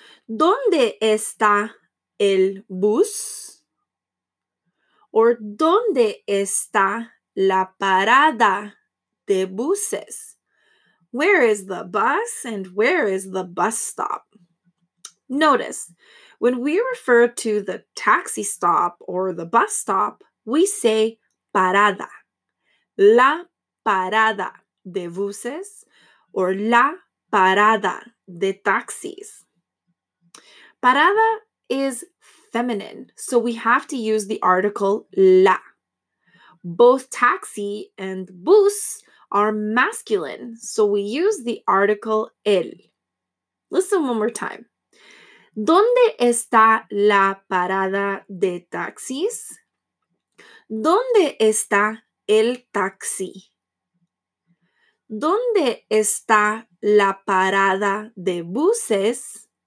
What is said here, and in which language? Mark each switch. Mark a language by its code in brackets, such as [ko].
[es] ¿Dónde está el bus?, or ¿dónde está la parada de buses?, [en] where is the bus and where is the bus stop? Notice, when we refer to the taxi stop or the bus stop, we say parada. [es] La parada de buses or la parada de taxis. [en] Parada is feminine, so we have to use the article la. Both taxi and bus are masculine, so we use the article el. Listen one more time. [es] ¿Dónde está la parada de taxis? ¿Dónde está el taxi? ¿Dónde está la parada de buses?